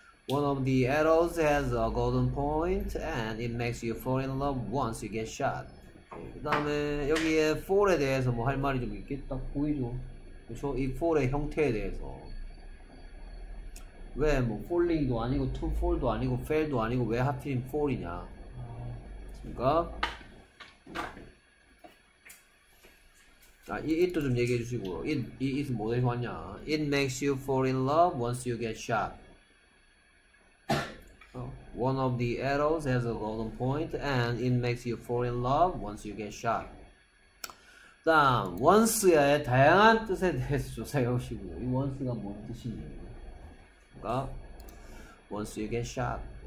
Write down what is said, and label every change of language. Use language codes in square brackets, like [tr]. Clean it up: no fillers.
[en] One of the arrows has a golden point and it makes you fall in love once you get shot. [ko] 그 다음에 여기에 fall에 대해서 뭐 할 말이 좀 있겠지? 딱 보이죠? 그쵸? 이 fall의 형태에 대해서 왜 뭐 falling도 아니고 to fall도 아니고 fail도 아니고 왜 하필 fall이냐? 그니까 자, 아, 이것도 좀 얘기해 주시고요. 이것은 뭐 해서 왔냐. [en] It makes you fall in love once you get shot. One of the arrows has a golden point and it makes you fall in love once you get shot. [ko] 다음, once의 다양한 뜻에 대해서 조사해 보시고요. 이 once가 뭔 뜻인지. 그러니까, once you get shot.